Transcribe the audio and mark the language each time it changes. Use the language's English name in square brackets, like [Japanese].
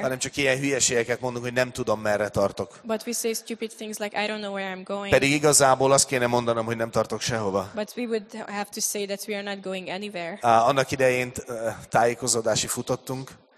[Hungarian] Hanem csak ilyen hülyeségeket mondunk, hogy nem tudom, merre tartok. [English] But we say stupid things like I don't know where I'm going. [Hungarian] Pedig igazából azt kéne mondanom, hogy nem tartok sehova. [English] But we would have to say that we are not going anywhere. [Hungarian] Annak idején tájékozódási futottunk.